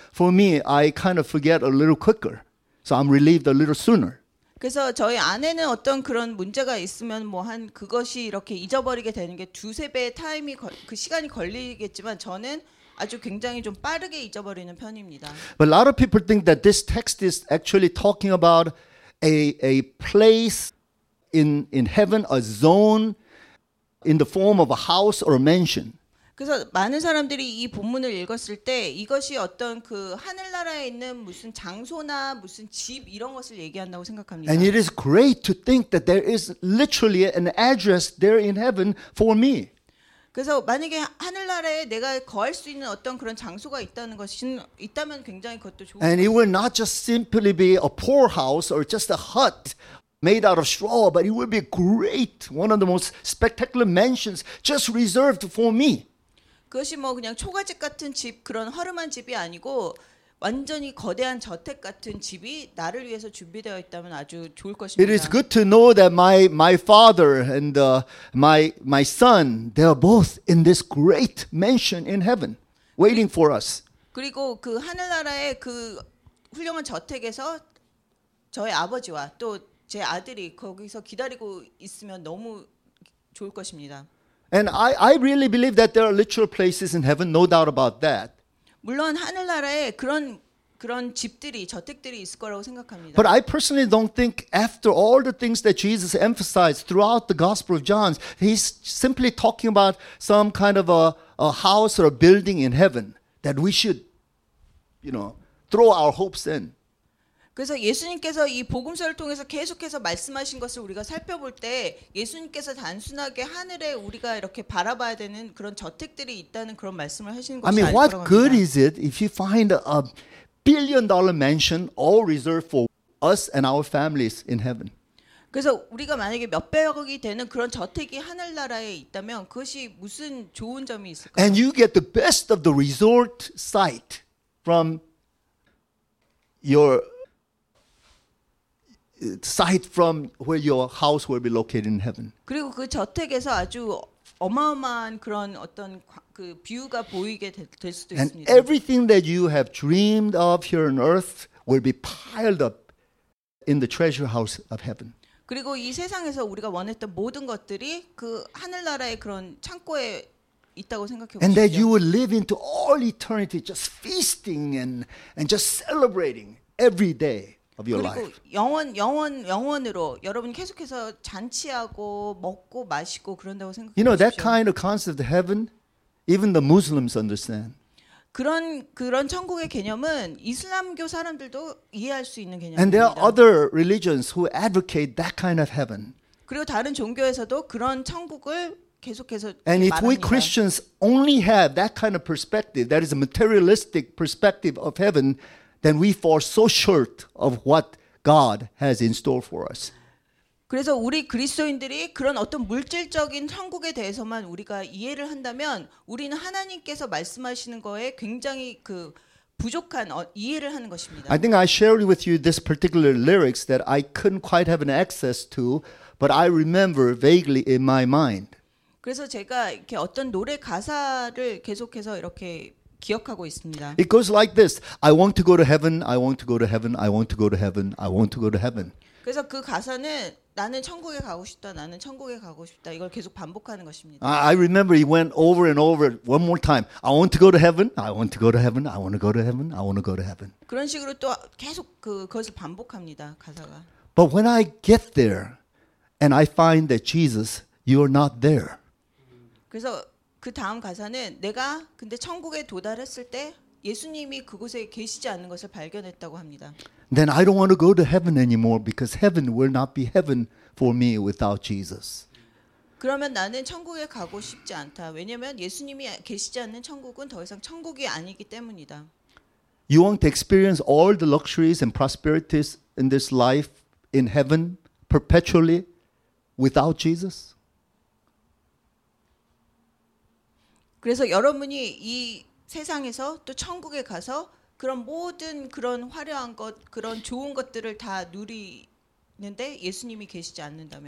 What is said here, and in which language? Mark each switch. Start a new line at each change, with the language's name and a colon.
English: For me, I kind of forget a little quicker. So I'm relieved a little sooner.
Korean: 그래서 저희 아내는 어떤 그런 문제가 있으면 뭐 한 그것이 이렇게 잊어버리게 되는 게 두세 배의 타임이 그 시간이 걸리겠지만 저는 아주 굉장히 좀 빠르게 잊어버리는 편입니다.
English: But a lot of people think that this text is actually talking about a place in heaven, a zone in the form of a house or a mansion.
Korean: 그래서 많은 사람들이 이 본문을 읽었을 때 이것이 어떤 그 하늘나라에 있는 무슨 장소나 무슨 집 이런 것을 얘기한다고 생각합니다.
English: And it is great to think that there is literally an address there in heaven for me.
Korean: 그래서 만약에 하늘나라에 내가 거할 수 있는 어떤 그런 장소가 있다는 것이 있다면 굉장히 그것도 좋습니다.
English: And it will not just simply be a poor house or just a hut made out of straw, but it will be great, one of the most spectacular mansions just reserved for me.
Korean: 그것이 뭐 그냥 초가집 같은 집 그런 허름한 집이 아니고 완전히 거대한 저택 같은 집이 나를 위해서 준비되어 있다면 아주 좋을 것입니다.
English: It is good to know that my father and my son, they are both in this great mansion in heaven waiting for us.
Korean: 그리고 그 하늘나라의 그 훌륭한 저택에서 저의 아버지와 또 제 아들이 거기서 기다리고 있으면 너무 좋을 것입니다.
English: And I really believe that there are literal places in heaven, no doubt about that.
Korean: 물론 하늘나라에 그런 집들이 저택들이 있을 거라고 생각합니다.
English: But I personally don't think after all the things that Jesus emphasized throughout the Gospel of John, he's simply talking about some kind of a house or a building in heaven that we should, you know, throw our hopes in.
Korean: 그래서 예수님께서 이 복음서를 통해서 계속해서 말씀하신 것을 우리가 살펴볼 때 예수님께서 단순하게 하늘에 우리가 이렇게 바라봐야 되는 그런 저택들이 있다는 그런 말씀을 하시는 것이 아닐 것 같습니다.
English: I mean, what good is it if you find a billion-dollar mansion all reserved for us and our families in heaven?
Korean: 그래서 우리가 만약에 몇 백억이 되는 그런 저택이 하늘나라에 있다면 그것이 무슨 좋은 점이 있을까요?
English: And you get the best of the resort site from your site from where your house will be located in heaven.
Korean: 그리고 그 저택에서 아주 어마어마한 그런 어떤 그 뷰가 보이게 될 수도 있습니다.
English: And everything that you have dreamed of here on earth will be piled up in the treasure house of heaven.
Korean: 그리고 이 세상에서 우리가 원했던 모든 것들이 그 하늘나라의 그런 창고에 있다고 생각해 보세요.
English: And that you will live into all eternity just feasting and just celebrating every day.
Korean: 그리고 영원으로 여러분 계속해서 잔치하고 먹고 마시고 그런다고 생각하십시오.
English: You know that kind of concept of heaven, even the Muslims understand.
Korean: 그런 천국의 개념은 이슬람교 사람들도 이해할 수 있는 개념.
English: And there are other religions who advocate that kind of heaven.
Korean: 그리고 다른 종교에서도 그런 천국을 계속해서 말합니다.
English: And if we Christians only have that kind of perspective, that is a materialistic perspective of heaven. Then we fall so short of what God has in store for us.
Korean: 그래서 우리 그리스도인들이 그런 어떤 물질적인 천국에 대해서만 우리가 이해를 한다면 우리는 하나님께서 말씀하시는 거에 굉장히 그 부족한 이해를 하는 것입니다.
English: I think I shared with you this particular lyrics that I couldn't quite have an access to, but I remember vaguely in my mind.
Korean: 그래서 제가 이렇게 어떤 노래 가사를 계속해서 이렇게 기억하고 있습니다.
English: It goes like this. I want to go to heaven. I want to go to heaven. I want to go to heaven. I want to go to heaven.
Korean: 그래서 그 가사는 나는 천국에 가고 싶다. 나는 천국에 가고 싶다. 이걸 계속 반복하는 것입니다.
English: I remember he went over and over one more time. I want to go to heaven. I want to go to heaven. I want to go to heaven. I want to go to heaven.
Korean: 그런 식으로 또 계속 그것을 반복합니다. 가사가.
English: But when I get there and I find that Jesus, you are not there.
Korean: 그래서 그 다음 가사는 내가 근데 천국에 도달했을 때 예수님이 그곳에 계시지 않는 것을 발견했다고 합니다.
English: Then I don't want to go to heaven anymore because heaven will not be heaven for me without Jesus.
Korean: 그러면 나는 천국에 가고 싶지 않다. 왜냐면 예수님이 계시지 않는 천국은 더 이상 천국이 아니기 때문이다.
English: You want to experience all the luxuries and prosperities in this life in heaven perpetually without Jesus?
Korean: 그래서 여러분이 이 세상에서 또 천국에 가서 그런 모든 그런 화려한 것, 그런 좋은 것들을 다 누리는데 예수님이 계시지 않는다면?